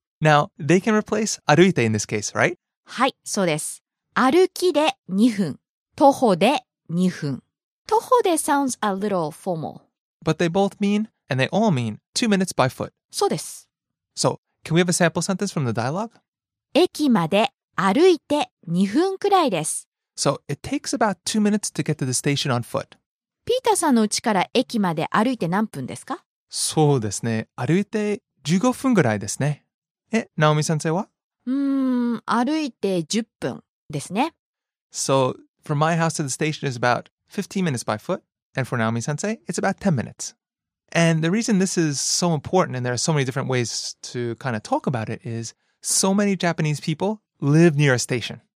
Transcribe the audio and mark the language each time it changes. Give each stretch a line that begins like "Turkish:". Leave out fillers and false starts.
English: Now, they can replace 歩いて in this case, right?
Japanese: はい、そうです。歩きで2分、徒歩で2分。
English: 徒歩で sounds a little formal. But they both mean, and they all mean, 2 minutes by foot.
Japanese: そうです。
English: So, can we have a sample sentence from the dialogue?
Japanese: 駅まで歩いて2分くらいです。
English: So, it takes about 2 minutes to get to the station on foot.
Japanese: ピーターさんの家から駅まで歩いて何分ですか? そうですね。歩いて15分ぐらいですね。え、ナオミ先生は? 歩いて10分ですね。
English: So, from my house to the station is about 15 minutes by foot. And for Naomi sensei, it's about 10 minutes. And the reason this is so important, and there are so many different ways to kind of talk about it, is so many Japanese people live near a station.